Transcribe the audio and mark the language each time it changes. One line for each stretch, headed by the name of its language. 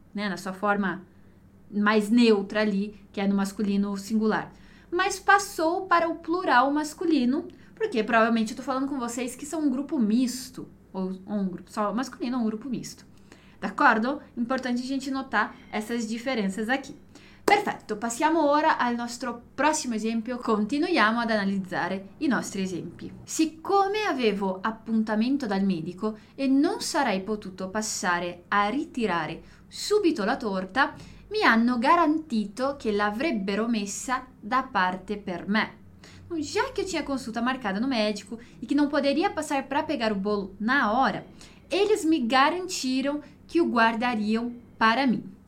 Portuguese: Né, na sua forma mais neutra ali, que é no masculino singular. Mas passou para o plural masculino, porque provavelmente eu estou falando com vocês que são um grupo misto, ou um grupo só masculino, ou um grupo misto. D'accordo? Importante a gente notar essas diferenças aqui.
Italian: Perfetto, passiamo ora al nostro prossimo esempio. Continuiamo ad analizzare i nostri esempi. Siccome avevo appuntamento dal medico e non sarei potuto passare a ritirare subito la torta, mi hanno garantito che l'avrebbero messa da parte per me.
Portuguese: Já que eu tinha consulta marcada no médico e que não poderia passar para pegar o bolo na hora, eles me garantiram que o guardariam para mim.